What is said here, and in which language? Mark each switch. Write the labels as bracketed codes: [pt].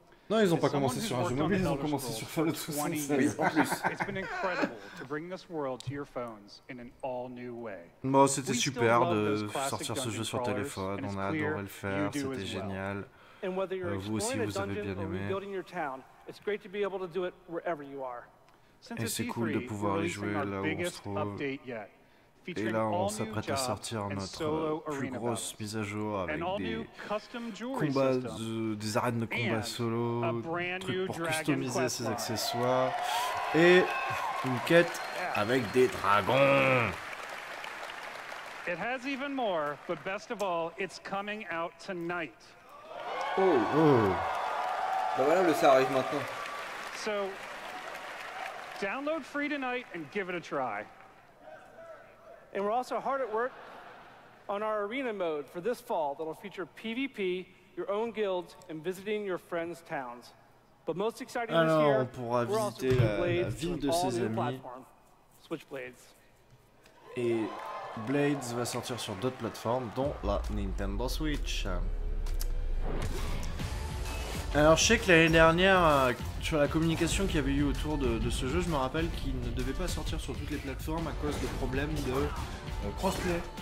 [fr] Non, ils ont pas commencé sur un jeu mobile, ils ont commencé sur Fallout 76. Oui, en plus. [en] It's been incredible to bring this world to your phones in an all new way. [fr] Bon, c'était super de sortir ce jeu sur téléphone, on a adoré le faire, c'était génial. Vous aussi, vous avez bien aimé. [en] It's great to be able to do it wherever you are. [fr] Et c'est cool de pouvoir y jouer là où on se trouve. Et là, on s'apprête à sortir notre plus grosse mise à jour avec des combats, des arènes de combat solo, trucs pour customiser ses accessoires, et une quête avec des dragons. [en] It has even more, but best of all, it's coming out tonight. [fr] Oh, oh. Ben voilà, le ça arrive maintenant. [en] So, download free tonight and give it a try. And we're also hard at work on our arena mode for this fall that'll feature PvP, your own guilds, and visiting your friends' towns. But most exciting this year, [fr] on pourra visiter la ville de ses amis. [en] Switchblades. [fr] Et Blades va sortir sur d'autres plateformes, dont la Nintendo Switch. Alors je sais que l'année dernière, sur la communication qu'il y avait eu autour de ce jeu, je me rappelle qu'il ne devait pas sortir sur toutes les plateformes à cause de problèmes de crossplay.